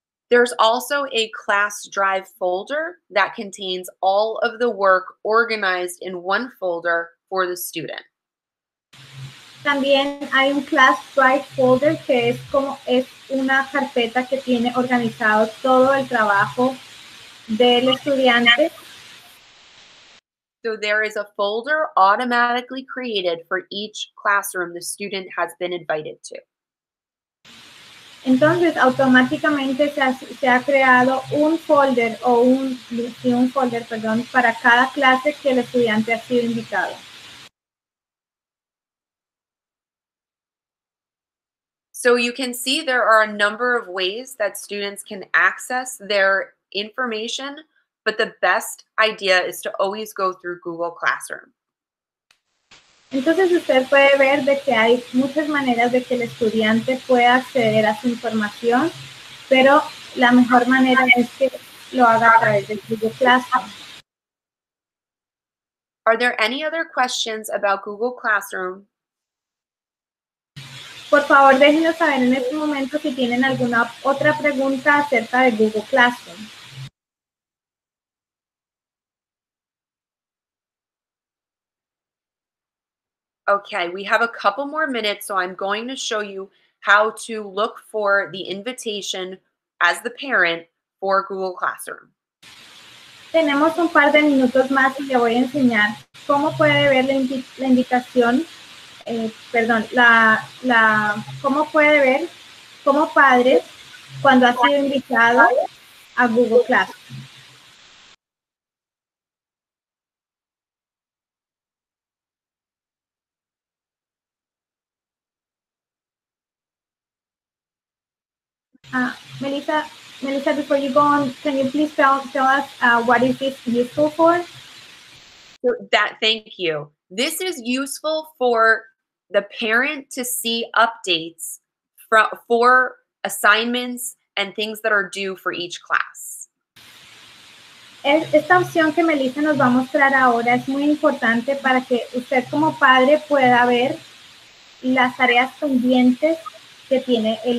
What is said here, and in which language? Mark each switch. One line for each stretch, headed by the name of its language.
English: There's also a class drive folder that contains all of the work organized in one folder for the student.
Spanish: También hay un
English: class drive folder
Spanish: que es como es una carpeta que tiene organizado todo el trabajo del estudiante.
English: So there is a folder automatically created for each classroom the student has been invited to.
Spanish: Entonces, automáticamente se ha creado un folder o un folder, para cada clase que el estudiante ha sido invitado.
English: So you can see there are a number of ways that students can access their information, but the best idea is to always go through Google Classroom.
Spanish: Entonces usted puede ver de que hay muchas maneras de que el estudiante pueda acceder a su información, pero la mejor manera es que lo haga a través de Google Classroom.
English: Are there any other questions about Google Classroom?
Spanish: Por favor, déjenos saber en este momento si tienen alguna otra pregunta acerca de Google Classroom.
English: Okay, we have a couple more minutes, so I'm going to show you how to look for the invitation as the parent for Google Classroom.
Spanish: Tenemos un par de minutos más y le voy a enseñar cómo puede ver cómo padres cuando ha sido invitado a Google Classroom.
English: Melissa, before you go on, can you please tell us what is this useful for? Thank you. This is useful for the parent to see updates for assignments and things that are due for each class.
Spanish: Esta opción que Melissa nos va a mostrar ahora es muy importante para que usted como padre pueda ver las tareas pendientes que tiene